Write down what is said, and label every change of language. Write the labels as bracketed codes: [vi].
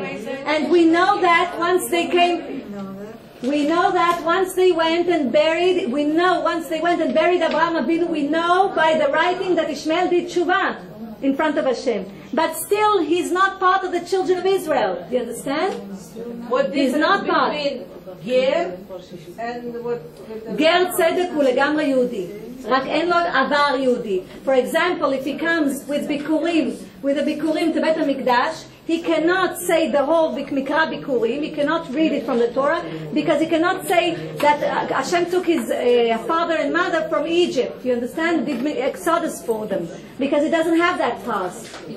[en] And we know that once they came, once they went and buried Abraham Avinu, we know by the writing that Ishmael did tshuva in front of Hashem. But still, he's not part of the children of Israel. Do you understand? He's not part. [he] Ger tzedek הוא לגמרי יהודי, רק אין לו עבר יהודי. [en] For example, if he comes with the ביקורים to בית המקדש, he cannot say the whole מקרא ביקורים, he cannot read it from the Torah, because he cannot say that Hashem took his father and mother from Egypt, you understand, did Exodus for them, because he doesn't have that past.